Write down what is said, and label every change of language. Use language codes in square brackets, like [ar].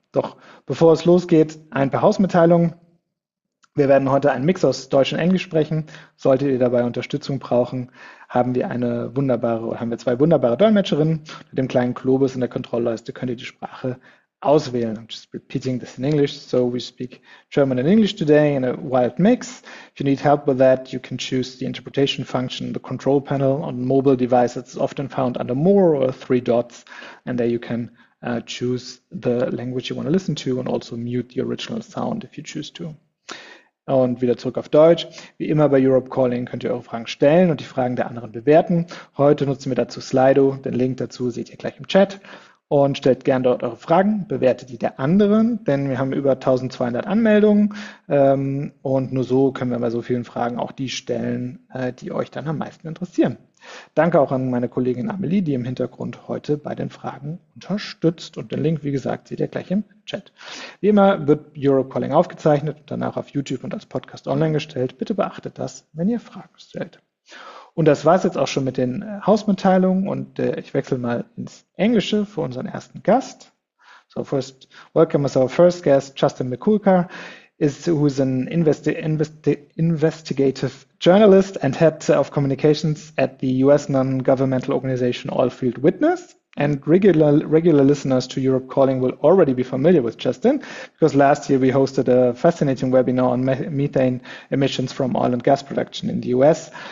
[de] Doch bevor es losgeht, ein paar Hausmitteilungen. Wir werden heute einen Mix aus Deutsch und Englisch sprechen. Solltet ihr dabei Unterstützung brauchen, haben wir zwei wunderbare Dolmetscherinnen. Mit dem kleinen Globus in der Kontrollleiste könnt ihr die Sprache auswählen. [en] I'm just repeating this in English. So we speak German and English today in a wild mix. If you need help with that, you can choose the interpretation function, the control panel on mobile devices. It's often found under more or three dots. And there you can choose the language you want to listen to and also mute the original sound if you choose to. [de] Und wieder zurück auf Deutsch. Wie immer bei Europe Calling könnt ihr eure Fragen stellen und die Fragen der anderen bewerten. Heute nutzen wir dazu Slido. Den Link dazu seht ihr gleich im Chat. Und stellt gerne dort eure Fragen, bewertet die der anderen, denn wir haben über 1200 Anmeldungen, und nur so können wir bei so vielen Fragen auch die stellen, die euch dann am meisten interessieren. Danke auch an meine Kollegin Amelie, die im Hintergrund heute bei den Fragen unterstützt. Und den Link, wie gesagt, seht ihr gleich im Chat. Wie immer wird Eurocalling aufgezeichnet und danach auf YouTube und als Podcast online gestellt. Bitte beachtet das, wenn ihr Fragen stellt. Und das war es jetzt auch schon mit den Hausmitteilungen und ich wechsle mal ins Englische für unseren ersten Gast. [en] So first, welcome as our first guest, Justin Mikulka, who is an investigative journalist and head of communications at the US non-governmental organization Oilfield Witness. And regular listeners to Europe Calling will already be familiar with Justin, because last year we hosted a fascinating webinar on methane emissions from oil and gas production in the US.